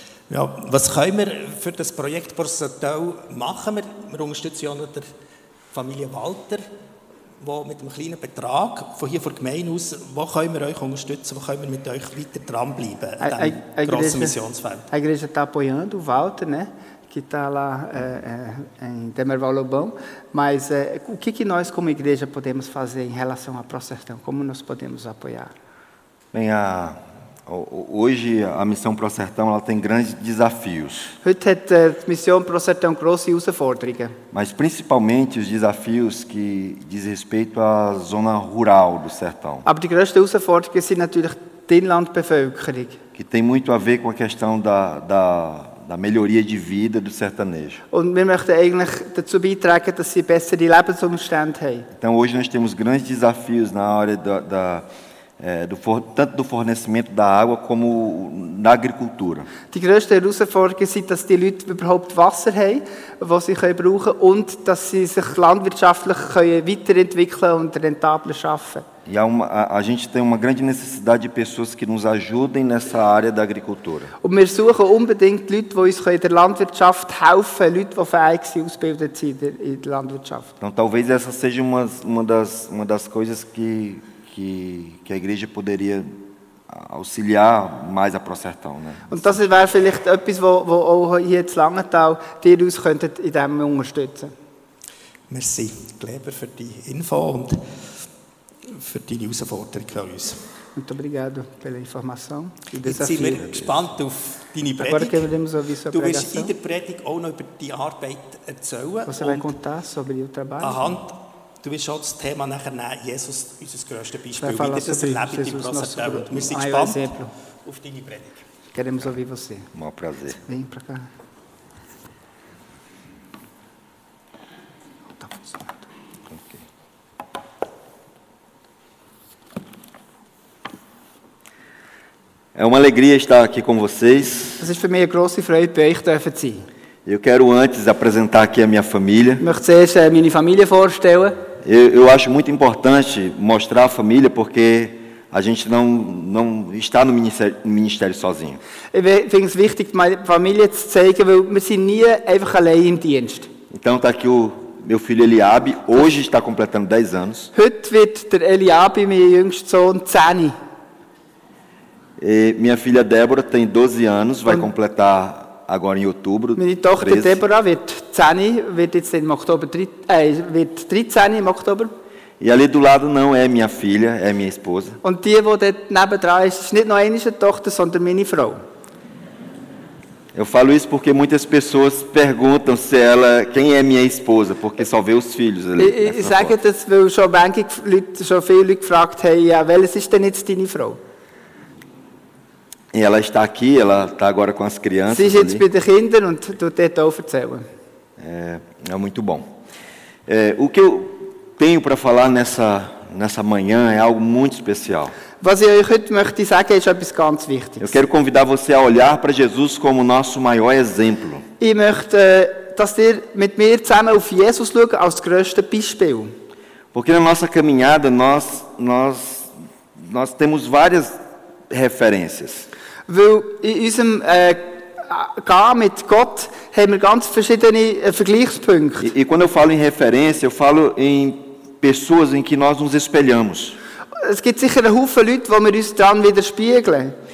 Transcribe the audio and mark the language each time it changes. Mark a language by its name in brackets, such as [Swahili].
[German] Ja, was können wir für das Projekt Prosertal machen? Wir unterstützen ja der Familie Walter, die mit einem kleinen Betrag von hier von Gemeinde aus, wo können wir euch unterstützen, wo können wir mit euch weiter dranbleiben in diesem grossen Missionsfeld? [Portuguese] A igreja está apoiando o Walter, né? Que está lá em Demerval Lobão, mas o que, que nós como igreja podemos fazer em relação à Prosertão? Como nós podemos apoiar? Bem, hoje a missão Prosertão ela tem grandes desafios. [German] Heute hat die Mission Prosertão grosse Herausforderungen. [Portuguese] Mas principalmente os desafios que diz respeito à zona rural do sertão. [German] Aber die grösste Herausforderung sind natürlich die Inlandbevölkerung. [Portuguese] Que tem muito a ver com a questão da melhoria de vida do sertanejo. [German] Und wir möchten eigentlich dazu beitragen, dass sie bessere Lebensumstände haben. [Portuguese] Então hoje nós temos grandes desafios na área da tanto do fornecimento da água como na agricultura. [German] Die grösste Herausforderung ist, dass die Leute überhaupt Wasser haben, das sie können brauchen und dass sie sich landwirtschaftlich können weiterentwickeln und rentabler schaffen. [Portuguese] E a gente tem uma grande necessidade de pessoas que nos ajudem nessa área da agricultura. [German] Und wir suchen unbedingt Leute, die uns in der Landwirtschaft helfen, Leute, die fähig sind, ausgebildet sind in der Landwirtschaft. [Portuguese] Então talvez essa seja uma das coisas que a igreja poderia auxiliar mais a Prosertão, né? [German] Und das wäre vielleicht etwas, wo auch hier in Langenthal dir uns könntet in dem unterstützen. Merci, Kleber, für die Info und für deine Herausforderung an uns. [Portuguese] Muito obrigado pela informação. [German] Jetzt sind wir gespannt auf deine Predigt. Du wirst in der Predigt auch noch über die Arbeit erzählen. [Portuguese] Você vai contar sobre o trabalho. [German] Du wirst auch das Thema nachher nehmen, Jesus, unser grösstes Beispiel, wie das erlebt in Prosertão. Wir sind gespannt auf deine Predigt. [Portuguese] Queremos ouvir você. Um prazer. Vem pra cá. É uma alegria estar aqui com vocês. [German] Es ist für mich eine grosse Freude, bei euch dürfen sein. [Portuguese] Eu quero antes apresentar aqui a minha família. [German] Ich möchte zuerst meine Familie vorstellen. [Portuguese] Eu acho muito importante mostrar a família, porque a gente não está no ministério sozinho. [German] Ich finde es wichtig, meine Familie zu zeigen, weil wir sind nie einfach allein im Dienst. [Portuguese] Então está aqui o meu filho Eliabe, hoje está completando 10 anos. [German] Heute wird der Eliabe, mein jüngster Sohn, 10. [Portuguese] E minha filha Débora tem 12 anos, vai completar agora em outubro. Minha [German] Tochter Débora wird 10, wird jetzt im Oktober 13 im Oktober. [Portuguese] E ali do lado não é minha filha, é minha esposa. [German] Und die, wo dort nebendran ist, ist nicht nur eine Tochter, sondern meine Frau. [Portuguese] Eu falo isso porque muitas pessoas perguntam se ela, quem é minha esposa, porque só vê os filhos ali. [German] Ich sage das, weil schon viele Leute gefragt haben, ja, welches ist denn jetzt deine Frau? [Portuguese] E ela está aqui, ela está agora com as crianças. [German] Sie ist jetzt bei den Kindern und du dort auch erzählen. [Portuguese] É muito bom. O que eu tenho para falar nessa manhã é algo muito especial. [German] Was ich euch heute möchte sagen, ist etwas ganz Wichtiges. [Portuguese] Eu quero convidar você a olhar para Jesus como nosso maior exemplo. [German] Ich möchte, dass ihr mit mir zusammen auf Jesus schaut, als grösstes Beispiel. [Portuguese] Porque na nossa caminhada nós temos várias referências. [German] Weil in unserem Gehen mit Gott haben wir ganz verschiedene Vergleichspunkte. [Portuguese] E quando eu falo em referência, eu falo em pessoas em que nós nos espelhamos. [German] Es gibt sicher einen Haufen Leute, wo wir uns dran widerspiegeln.